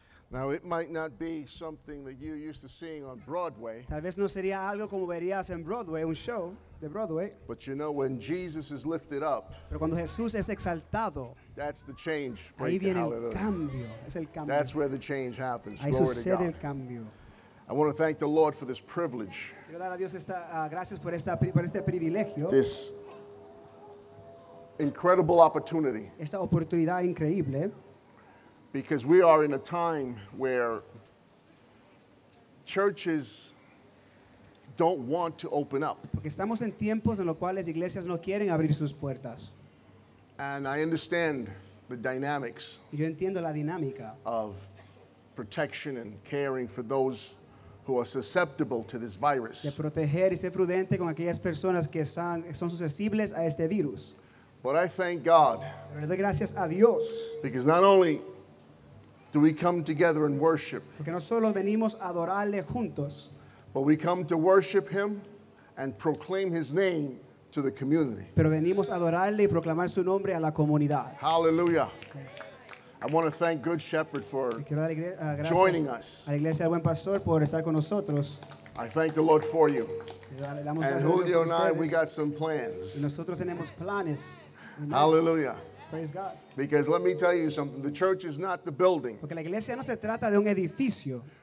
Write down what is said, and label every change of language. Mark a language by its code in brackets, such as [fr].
[en] Now it might not be something that you used to seeing on Broadway. [es] Tal vez no sería algo como verías en Broadway, un show de Broadway. [en] But you know when Jesus is lifted up. [es] Pero cuando Jesús es exaltado. [en] That's the change. [es] Ahí viene el cambio. Es el cambio. [en] That's where the change happens. [es] Ahí sucede el cambio. [en] I want to thank the Lord for this privilege. [es] Quiero dar a Dios esta gracias por este privilegio. [en] This incredible opportunity. [es] Esta oportunidad increíble. [en] Because we are in a time where churches don't want to open up. [es] Porque estamos en tiempos en los cuales iglesias no quieren abrir sus puertas. [en] And I understand the dynamics. [es] Yo entiendo la dinámica. [en] Of protection and caring for those who are susceptible to this virus. [es] De proteger y ser prudente con aquellas personas que son susceptibles a este virus. [en] But I thank God. [es] Pero le doy gracias a Dios. [en] Because not only do we come together and worship. [es] Porque no solo venimos a adorarle juntos. [en] But we come to worship him and proclaim his name to the community. [es] Pero venimos a adorarle y proclamar su nombre a la comunidad. [en] Hallelujah. I want to thank Good Shepherd for joining us. [es] A la iglesia del buen pastor por estar con nosotros. [en] I thank the Lord for you. And Julio and I, we got some plans. [es] Nosotros tenemos planes. [en] Hallelujah. Praise God. Because let me tell you something, the church is not the building. [es] Porque la iglesia no se trata de un edificio.